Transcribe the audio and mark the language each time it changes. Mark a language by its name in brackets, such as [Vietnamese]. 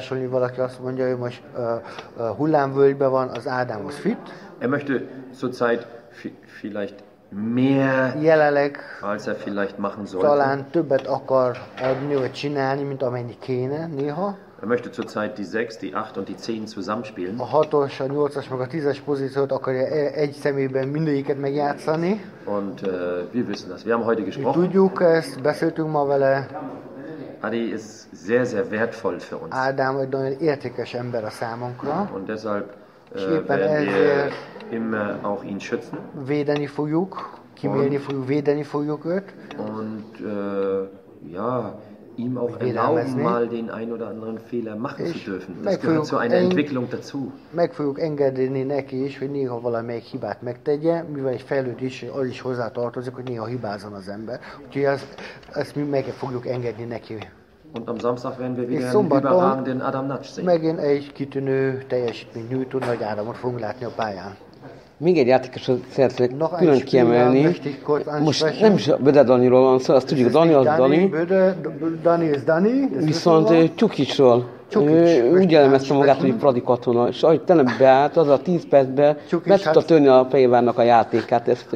[Hungarian] Valaki azt mondja, hogy most hullámvölgyben van, az Ádám az fit. [German] Er möchte zurzeit vielleicht mehr, [Hungarian] jelenleg, [German] als er vielleicht machen sollte. [Hungarian] Talán többet akar adni, vagy csinálni, mint amennyi kéne néha. [German] Er möchte zurzeit die 6, die 8 und die 10 zusammenspielen. [Hungarian] A 6-os, a 8-as, meg a 10-es pozíciót akarja egy személyben mindegyiket megjátszani. [German] Und wir wissen das. Wir haben heute gesprochen. [Hungarian] Tudjuk ezt, beszéltünk ma vele. [German] Adi ist sehr, sehr wertvoll für uns. [Hungarian] Ádám egy nagyon értékes ember a számunkra. [German] Und deshalb werden wir immer auch ihn schützen. [Hungarian] Védeni fogjuk, kimélni fogjuk, védeni fogjuk őt. [German] Und ja... ihm auch erlauben, mal den ein oder anderen Fehler machen zu dürfen. Das gehört zu einer Entwicklung dazu. [Hungarian] Meg fogjuk engedni neki is, hogy néha valamelyik hibát megtegye, mivel egy fejlőd is, az is hozzátartozik, hogy néha hibázzon az ember. Úgyhogy ezt mi meg fogjuk engedni neki. [German] Und am Samstag werden wir wieder einen überragenden Adam Nagy sehen. [Hungarian] Megint egy kitűnő teljesítmény nyújtó Nagy Ádámot fogunk látni a pályán. Még egy játékosat szeretnék külön kiemelni. Most nem is a Böde Daniról van szó, azt tudjuk, Dani az Dani. Dani. Viszont Csukicsról. Úgy elemezte magát, hogy Fradi katona. És ahogy tenem beállt, az a 10 percben be tudta törni a Fehérvárnak a játékát.